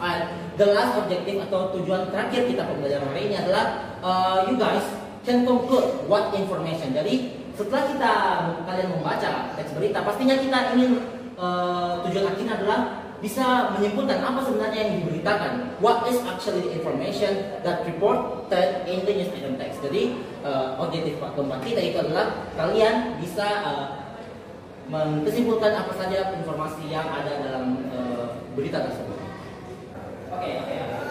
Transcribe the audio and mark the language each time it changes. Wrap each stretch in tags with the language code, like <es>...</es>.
<en>And the last objective</en> <id>atau tujuan terakhir kita pembelajaran hari ini adalah</id> <en>you guys can conclude what information.</en> <id>Jadi setelah kita kalian membaca teks berita, pastinya kita ingin tujuan akhirnya adalah bisa menyimpulkan apa sebenarnya yang diberitakan.</id> <en>What is actually the information that reported in the news item text?</en> <id>Jadi objektif keempat kita itu adalah kalian bisa menyimpulkan apa saja informasi yang ada dalam berita tersebut. Oke, okay.</id>